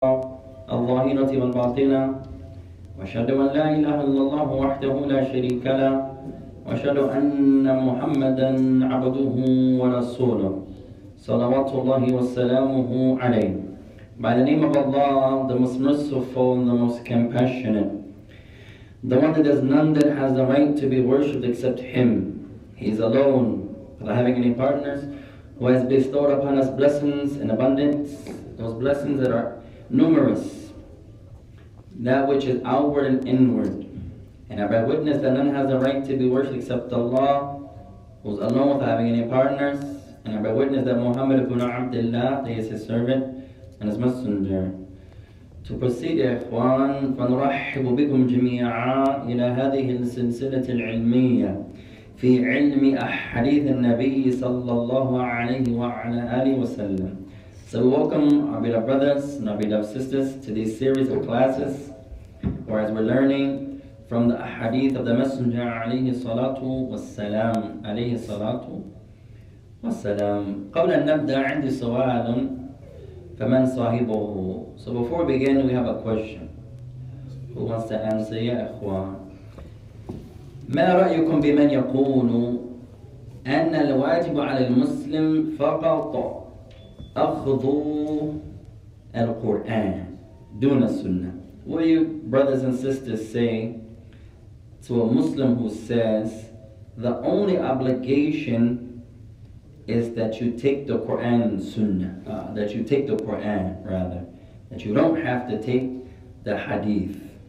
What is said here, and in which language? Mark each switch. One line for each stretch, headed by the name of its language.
Arabic: الظاهرة والباطنة، وأشهد أن لا إله إلا الله وحده لا شريك له، وأشهد أن محمدًا عبده ورسوله، صلوات الله وسلامه عليه.
English: By the name of Allah, the most merciful and the most compassionate, the one that has none that has the right to be worshipped except Him. He is alone, without having any partners, who has bestowed upon us blessings in abundance, those blessings that are numerous, that which is outward and inward. And I bear witness that none has the right to be worshipped except Allah, who is alone without having any partners. And I bear witness that Muhammad ibn Abdullah, he is his servant and his messenger. To proceed, ikhwan,
Arabic: فَنُرَحِّبُ بِكُمْ جَمِيعًا إِلَى هَذِهِ السِّلْسِلَةِ الْعِلْمِيَّةِ فِي عِلْمِ أَحْحَدِيثِ النَّبِيِّ صَلَّى اللَّهُ عَلَيْهِ وَعَلَى آلِهِ وَسَلَّمْ.
English: So we welcome our beloved brothers and our beloved sisters to this series of classes, where as we're learning from the Ahadith of the Messenger alayhi salatu wassalam, alayhi salatu wassalam.
Arabic: قبل أن نبدأ عندي سؤال فمن صاحبه.
English: So before we begin, we have a question. Who wants to answer?
Arabic: يا إخوان. ما رأيكم بمن يقول أن الواجب على المسلم فقط أخذوا القرآن دون السنة.
English: What do you brothers and sisters say to a Muslim who says the only obligation is that you take the Quran and Sunnah, that you take the Quran rather, that you don't have to take the Hadith?